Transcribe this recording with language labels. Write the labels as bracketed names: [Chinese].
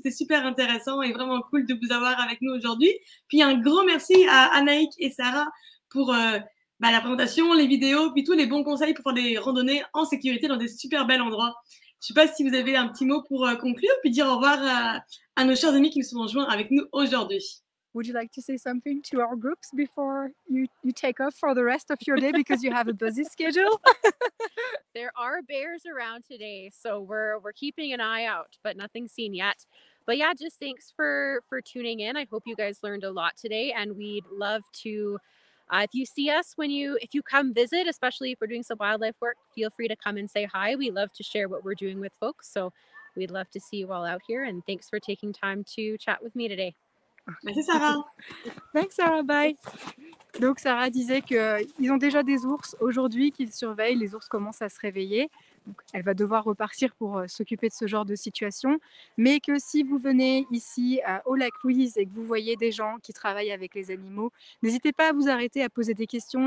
[French] C'était super intéressant et vraiment cool de vous avoir avec nous aujourd'hui. Puis un grand merci à Anaïk et Sarah pour la présentation, les vidéos, puis tous les bons conseils pour faire des randonnées en sécurité dans des super bels endroits. Je ne sais pas si vous avez un petit mot pour conclure, puis dire au revoir à nos chers amis qui nous sont joints avec nous aujourd'hui. [English] Would you like to say something to our groups before you take off for the rest of your day because you have a busy schedule? There are bears around today, so we're keeping an eye out, but nothing seen yet. But yeah, just thanks for tuning in. I hope you guys learned a lot today, and we'd love to... if you see us, if you come visit, especially if we're doing some wildlife work, feel free to come and say hi. We love to share what we're doing with folks. So we'd love to see you all out here. And thanks for taking time to chat with me today. [French] Merci, Sarah. [English] Thanks, Sarah. Bye. [French] Donc, Sarah disait qu'ils ont déjà des ours aujourd'hui qu'ils surveillent. Les ours commencent à se réveiller. Donc, elle va devoir repartir pour s'occuper de ce genre de situation. Mais que si vous venez ici au lac Louise et que vous voyez des gens qui travaillent avec les animaux, n'hésitez pas à vous arrêter, à poser des questions.